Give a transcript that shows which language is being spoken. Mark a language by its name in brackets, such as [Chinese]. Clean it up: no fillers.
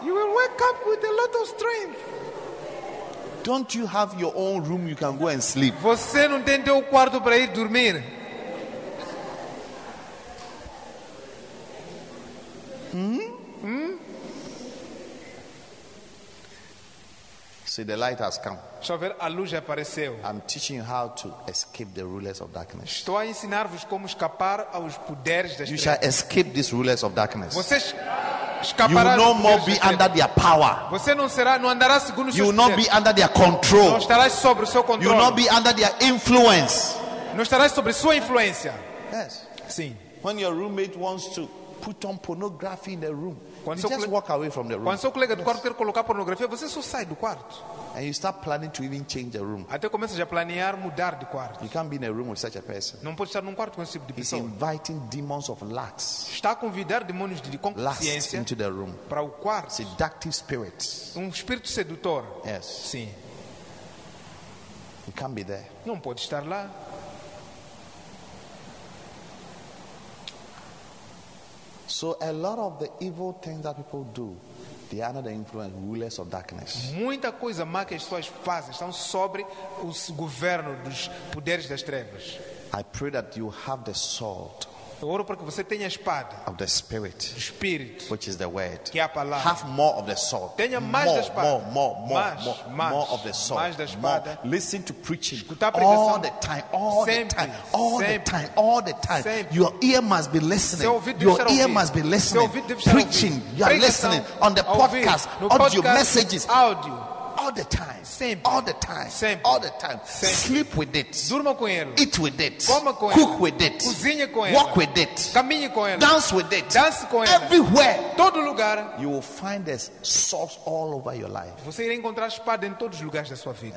[English] You will wake up with a lot of strength. Don't you have your own room you can go and sleep? [Portuguese] Você não tem teu quarto para ir dormir? [English] See, the light has come. [Portuguese] Deixa eu ver, a luz apareceu. [English] I'm teaching you how to escape the rulers of darkness. [Portuguese] Estou a ensinar-vos como escapar aos poderes das trevas. [English] You shall escape these rulers of darkness. [Portuguese] Vocês escaparão. [English] You will no more be under their power. [Portuguese] Você não será, não andará segundo seus. [English] You will not be under their control. [Portuguese] Não estarás sob o seu controle. [English] You will not be under their influence. [Portuguese] Não estarás sob sua influência. [English] Yes. [Portuguese] Sim. [English] When your roommate wants to put on pornography in the room. [Portuguese] Quando seu colega do quarto quer colocar pornografia, você só sai do quarto. [English] And you start planning to even change the room. [Portuguese] Até começa já a planear mudar de quarto. [English] You can't be in a room with such a person. [Portuguese] Não pode estar num quarto com esse tipo de pessoa. [English] He's inviting demons of lust. [Portuguese] Está a convidar demônios de consciência [English] into the room. [Portuguese] Para o quarto. [English] Seductive spirits. [Portuguese] Um espírito sedutor. [English] Yes. [Portuguese] Sim. [English] You can't be there. [Portuguese] Não pode estar lá. [English] So a lot of the evil things that people do, they are under the influence rulers of darkness. [Portuguese] Muita coisa má que as pessoas fazem estão sobre o governo dos poderes das trevas. [English] I pray that you have the sword. [Portuguese] Eu oro para que você tenha a espada. [English] Of the spirit. [Portuguese] Do espírito. [English] Which is the word. [Portuguese] Que é a palavra. [English] Have more of the sword. [Portuguese] Tenha mais da espada. [English] More of the sword. [Portuguese] Mais da espada. [English] More. Listen to preaching. [Portuguese] Escutar a pregação. [English] All the time. [Portuguese] Sempre. [English] Your ear must be listening. [Portuguese] Seu ouvido [English] Your ear must be listening. [Portuguese] Seu ouvido [English] preaching. [Portuguese] Ouvir. [English] You are listening on the podcast, [Portuguese] no podcast, [English] audio messages. [Portuguese] Audio. [English] all the time. [Portuguese] Sempre. [English] All the time. [Portuguese] Sempre. [English] All the time. [Portuguese] Sempre. [English] Sleep with it. [Portuguese] Durma com ele. [English] Eat with it. [Portuguese] Coma com [English] Cook [Portuguese] ele. [English] With it. [Portuguese] Cozinha com ele. [English] Walk with it. [Portuguese] Caminhe com ele. [English] Dance with it. [Portuguese] Dance com ele. [English] Everywhere. [Portuguese] Todo lugar. [English] You will find this source all over your life. [Portuguese] Você irá encontrar espada em todos os lugares da sua vida.